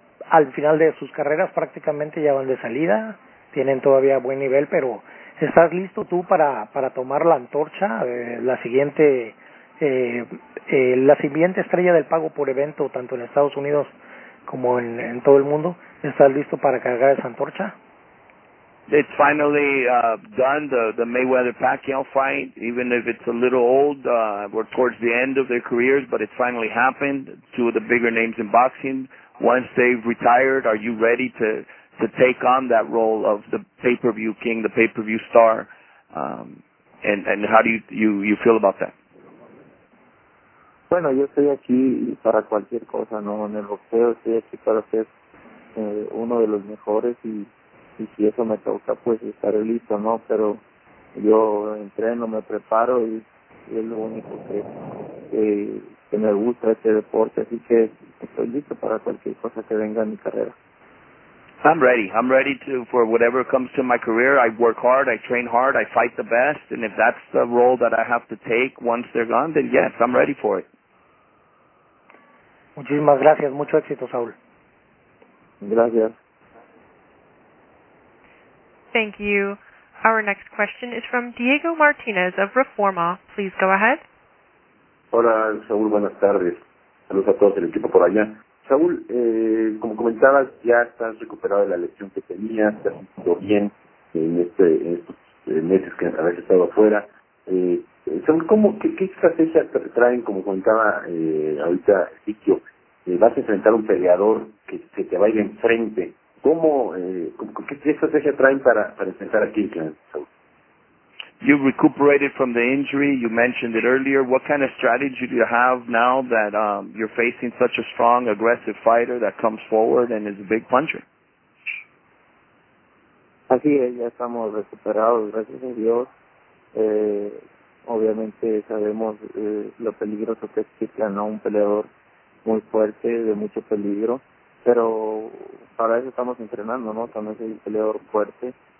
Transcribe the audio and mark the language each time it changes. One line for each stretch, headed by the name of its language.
Spanish: Al final de sus carreras prácticamente ya van de salida. Tienen todavía buen nivel, pero ¿estás listo tú para tomar la antorcha, la siguiente estrella del pago por evento, tanto en Estados Unidos como en todo el mundo? ¿Estás listo para cargar esa antorcha?
English: It's finally done, the Mayweather-Pacquiao fight, even if it's a little old. We're towards the end of their careers, but it's finally happened. Two of the bigger names in boxing, once they've retired, are you ready to take on that role of the pay-per-view king, the pay-per-view star? And how do you feel about that?
Spanish: Bueno, yo estoy aquí para cualquier cosa, ¿no? En el boxeo estoy aquí para ser uno de los mejores y si eso me toca, pues estaré listo, ¿no? Pero yo entreno, me preparo y es lo único que me gusta este deporte, así que estoy listo para cualquier cosa que venga en mi carrera.
English: I'm ready. I'm ready for whatever comes to my career. I work hard, I train hard, I fight the best, and if that's the role that I have to take once they're gone, then yes, I'm ready for it.
Spanish: Muchísimas gracias. Mucho éxito, Saúl. Gracias.
English: Thank you. Our next question is from Diego Martinez of Reforma. Please go ahead.
Spanish: Hola, Saúl. Buenas tardes. Saludos a todos el equipo por allá. Saúl, como comentabas, ya estás recuperado de la lesión que tenías, te has sentido bien en estos meses que habías estado afuera. Saúl, ¿qué estrategia traen, como comentaba ahorita Sikio? Vas a enfrentar un peleador que te va a ir enfrente. ¿Qué estrategia traen para enfrentar a Kirkland, Saúl?
English: You recuperated from the injury. You mentioned it earlier. What kind of strategy do you have now that you're facing such a strong, aggressive fighter that comes forward and is a big puncher?
Spanish: Así es, ya estamos recuperados, gracias a Dios. Obviamente sabemos lo peligroso que es Kirkland, ¿no? Un peleador muy fuerte, de mucho peligro. Pero para eso estamos entrenando, ¿no? También soy un peleador fuerte.